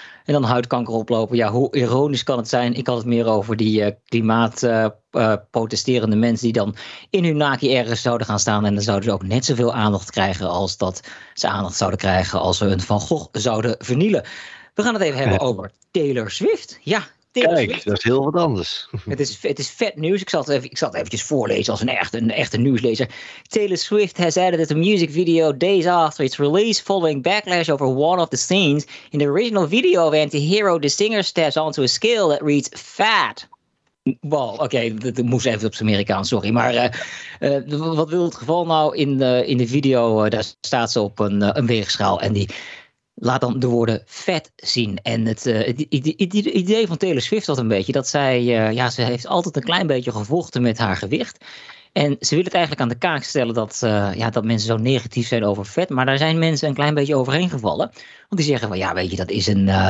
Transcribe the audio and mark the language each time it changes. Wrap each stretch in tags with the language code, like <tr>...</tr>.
<nl>En dan huidkanker oplopen. Ja, hoe ironisch kan het zijn? Ik had het meer over die klimaatprotesterende mensen die dan in hun naki ergens zouden gaan staan. En dan zouden ze ook net zoveel aandacht krijgen als dat ze aandacht zouden krijgen als ze een Van Gogh zouden vernielen. We gaan het even hebben over Taylor Swift. Ja, Taylor Swift. Kijk, dat is heel wat anders. Het is vet nieuws. Ik zal het eventjes voorlezen als een echte nieuwslezer.</nl> <en>Taylor Swift has added that the music video days after its release, following backlash over one of the scenes in the original video of Antihero, the singer steps onto a scale that reads fat.</en> <nl>Wow, oké, dat moest even op het Amerikaans, sorry. Maar wat wil het geval nou? In de video, daar staat ze op een weegschaal en die... Laat dan de woorden vet zien. En het idee van Taylor Swift had een beetje dat zij... ze heeft altijd een klein beetje gevochten met haar gewicht. En ze wil het eigenlijk aan de kaak stellen dat mensen zo negatief zijn over vet. Maar daar zijn mensen een klein beetje overheen gevallen. Want die zeggen van ja, weet je, dat is een...</nl>